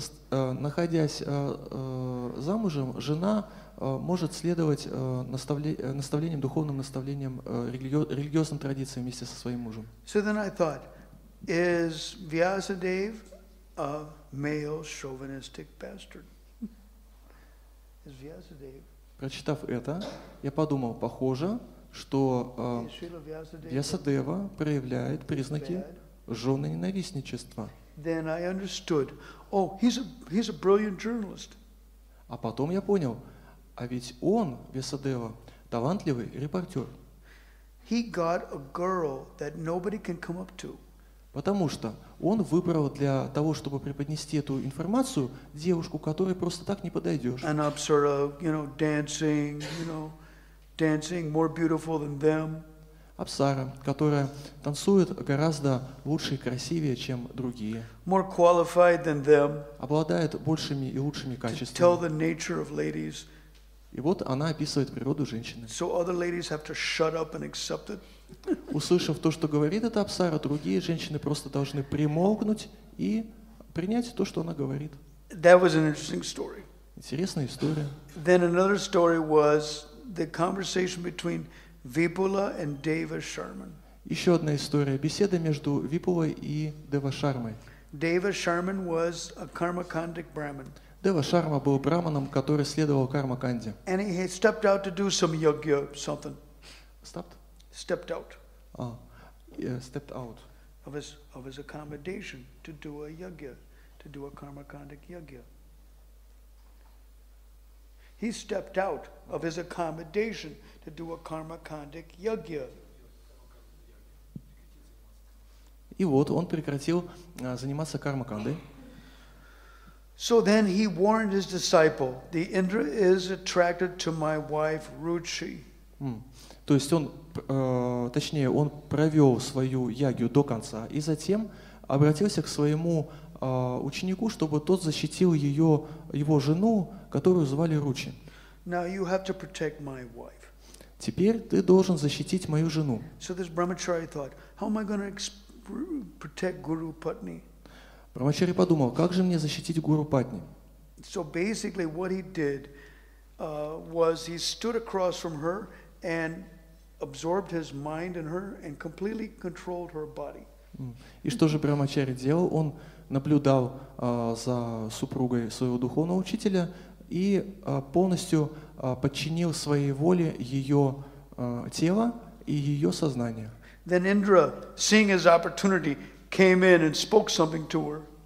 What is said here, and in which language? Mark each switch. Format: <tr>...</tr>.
<ru>Находясь замужем, жена может следовать наставлениям, духовным наставлениям, религиозным традициям вместе со своим мужем.</ru> <en>So then I thought, is Vyasadev a male chauvinistic bastard? Is Vyasadev?</en> <ru>Прочитав это, я подумал, похоже, что Вьясадева проявляет признаки женоненавистничества.</ru> <en>Then I understood, oh, he's a brilliant journalist.</en> <ru>А потом я понял, а ведь он, Вьясадева, талантливый репортер.</ru> <en>He got a girl that nobody can come up to.</en> <ru>Потому что он выбрал для того, чтобы преподнести эту информацию, девушку, которой просто так не подойдешь.</ru> <en>An apsara, you know, dancing, you know, dancing more beautiful than them.</en> <ru>Апсара, которая танцует гораздо лучше и красивее, чем другие.</ru> <en>More qualified than them.</en> <ru>Обладает большими и лучшими качествами.</ru> <en>To tell the nature of ladies.</en> <ru>И вот она описывает природу женщины.</ru> <en>So other ladies have to shut up and accept it.</en> <ru>Услышав то, что говорит эта апсара, другие женщины просто должны примолкнуть и принять то, что она говорит.</ru> <en>That was an interesting story.</en> <ru>Интересная история.</ru> <en>Then another story was the conversation between Vipula and Deva Sharman.</en> <ru>Еще одна история. Беседа между Випулой и Дева Шармой.</ru> <en>Deva Sharman was a Karmakandic Brahmin.</en> <ru>Дева Шарма был браманом, который следовал Кармаканде.</ru> <en>And he stepped out to do some yoga something. Stopped? Stepped out. Stepped out. Of his accommodation to do a yoga, to do a Karmakandic yoga. He stepped out of his accommodation to do a Karmakandic yoga.</en> <ru>И вот он прекратил заниматься Кармакандой.</ru> <en>So then he warned his disciple, the Indra is attracted to my wife Ruchi.</en> <ru>То есть он, точнее, он провел свою ягью до конца и затем обратился к своему ученику, чтобы тот защитил ее, его жену, которую звали Ручи.</ru> <en>Now you have to protect my wife.</en> <ru>Теперь ты должен защитить мою жену.</ru> <en>So this brahmachari thought, how am I going to protect Guru Patni?</en> <ru>Брамачари подумал, как же мне защитить Гуру Патни?</ru> <en>So basically what he did was he stood across from her and absorbed his mind in her and completely controlled her body.</en> <ru>И что же Брамачари делал? Он наблюдал за супругой своего духовного учителя и полностью подчинил своей воле ее тело и ее сознание.</ru> <en>Then Indra, seeing his opportunity, came in and spoke something to her.</en>